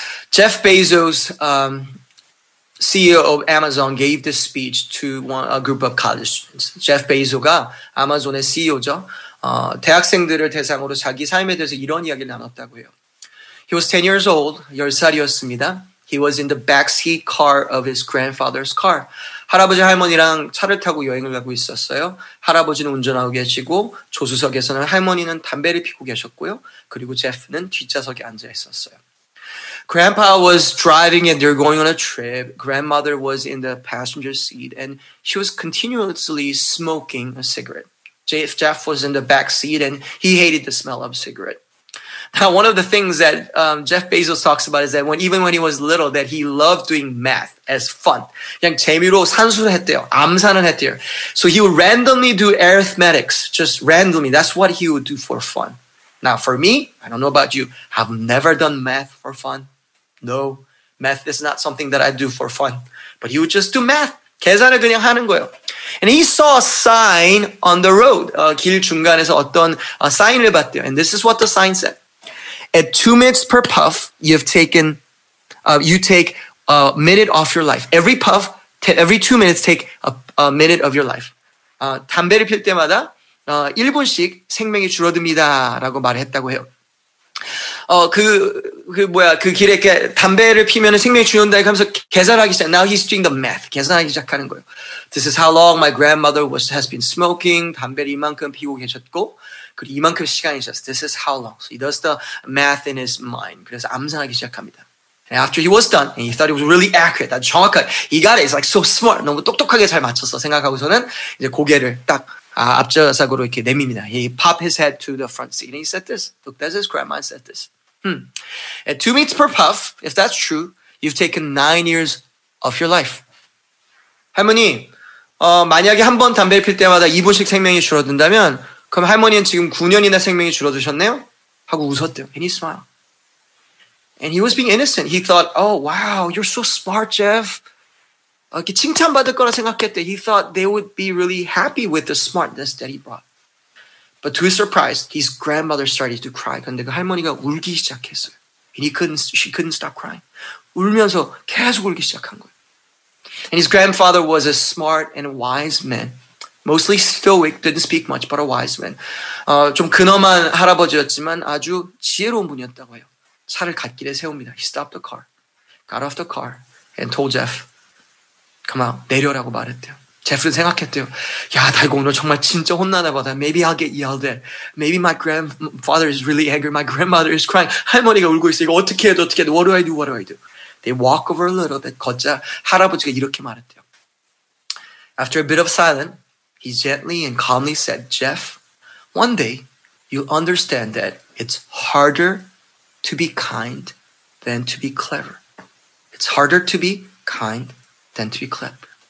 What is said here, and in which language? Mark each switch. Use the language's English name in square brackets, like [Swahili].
[English] Jeff Bezos, CEO of Amazon, gave this speech to a group of college students. [Korean] Jeff Bezos가 아마존의 CEO죠. 대학생들을 대상으로 자기 삶에 대해서 이런 이야기를 나눴다고 해요. [English] He was 10 years old, [Korean] 10살이었습니다. [English] He was in the backseat car of his grandfather's car. [Korean] 할아버지 할머니랑 차를 타고 여행을 가고 있었어요. 할아버지는 운전하고 계시고 조수석에서는 할머니는 담배를 피고 계셨고요. 그리고 제프는 뒷좌석에 앉아 있었어요. [English] Grandpa was driving and they're going on a trip. Grandmother was in the passenger seat and she was continuously smoking a cigarette. Jeff was in the back seat and he hated the smell of cigarette. Now, one of the things that Jeff Bezos talks about is that even when he was little, that he loved doing math as fun. [Korean] 그냥 재미로 산수를 했대요. 암산을 했대요. [English] So he would randomly do arithmetics, just randomly. That's what he would do for fun. Now, for me, I don't know about you, I've never done math for fun. No, math is not something that I do for fun. But he would just do math. [Korean] 계산을 그냥 하는 거예요. [English] And he saw a sign on the road. [Korean] 길 중간에서 어떤 sign을 봤대요. [English] And this is what the sign said. At 2 minutes per puff, you take a minute off your life. Every puff, every 2 minutes, take a minute of your life. [Korean] 담배를 필 때마다 1분씩 생명이 줄어듭니다라고 말했다고 해요. 그 길에 이렇게 담배를 피면 생명이 줄어든다 하면서 계산하기 시작. [English] Now he's doing the math. [Korean] 계산하기 시작하는 거예요. [English] This is how long my grandmother has been smoking. [Korean] 담배를 이만큼 피고 계셨고 그리고 이만큼 시간이 있었어. [English] This is how long. So he does the math in his mind. [Korean] 그래서 암산하기 시작합니다. [English] And after he was done, he thought it was really accurate. [Korean] 정확하게. [English] He got it. It's like so smart. [Korean] 너무 똑똑하게 잘 맞췄어. 생각하고서는 이제 고개를 딱 앞좌석으로 이렇게 내밉니다. [English] He popped his head to the front seat. And he said this. Look, that's his grandma. He said this. At 2 meats per puff, if that's true, you've taken 9 years of your life. [Korean] 할머니, 만약에 한 번 담배를 필 때마다 2분씩 생명이 줄어든다면, 그럼 할머니는 지금 9년이나 생명이 줄어드셨네요? 하고 웃었대요. [English] And he smiled. And he was being innocent. He thought, oh, wow, you're so smart, Jeff. [Korean] 이렇게 칭찬받을 거라 생각했대. [English] He thought they would be really happy with the smartness that he brought. But to his surprise, his grandmother started to cry. [Korean] 근데 그 할머니가 울기 시작했어요. [English] And she couldn't stop crying. [Korean] 울면서 계속 울기 시작한 거예요. [English] And his grandfather was a smart and wise man. Mostly stoic, didn't speak much, but a wise man. [Korean] 좀 근엄한 할아버지였지만 아주 지혜로운 분이었다고 해요. 차를 갓길에 세웁니다. [English] He stopped the car, got off the car, and told Jeff, come out, [Korean] 내려라고 말했대요. Jeff는 생각했대요. 야, 달고 오늘 정말 진짜 혼나나 보다. [English] Maybe I'll get yelled at. Maybe my grandfather is really angry. My grandmother is crying. [Korean] 할머니가 울고 있어. 이거 어떻게 해도 어떻게 해도. [English] What do I do? What do I do? They walk over a little bit. [Korean] 걷자 할아버지가 이렇게 말했대요. [English] After a bit of silence, he gently and calmly said, Jeff, one day you'll understand that it's harder to be kind than to be clever. It's harder to be kind than to be clever.